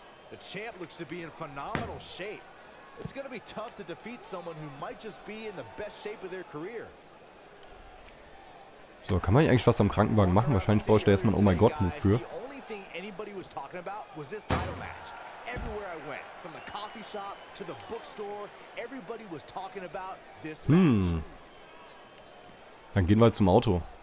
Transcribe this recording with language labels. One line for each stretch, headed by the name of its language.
English: The champ looks to be in phenomenal shape. It's going to be tough to defeat someone who might just be in the best shape of their career.
German: So, kann man hier eigentlich was am Krankenwagen machen? Wahrscheinlich brauche ich da erstmal, oh mein Gott, wofür?
English: The only thing anybody was talking about was this title match. Everywhere I went, from the coffee shop to the bookstore, everybody was talking about this match.
German: Dann gehen wir halt zum Auto.